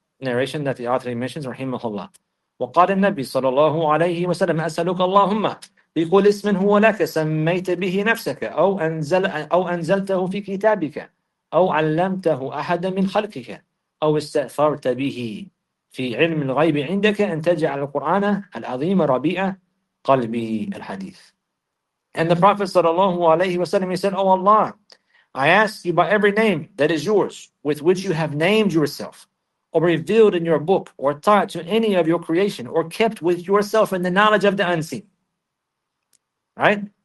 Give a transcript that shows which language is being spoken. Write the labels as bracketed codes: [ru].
[en] narration that the author mentions, rahimahullah. [ar] وقال النبي صلى الله عليه وسلم أسألك اللهم بقول اسم هو لك سميت به نفسك أو أنزلته في كتابك أو علمته أحدا من خلقك أو استأثرت به في علم الغيب عندك أن تجعل القرآن العظيم ربيع قلبي الحديث. [en] And the Prophet sallallahu alayhi wa sallam, he said, O Allah, I ask you by every name that is yours, with which you have named yourself, or revealed in your book, or taught to any of your creation, or kept with yourself in the knowledge of the unseen. Right?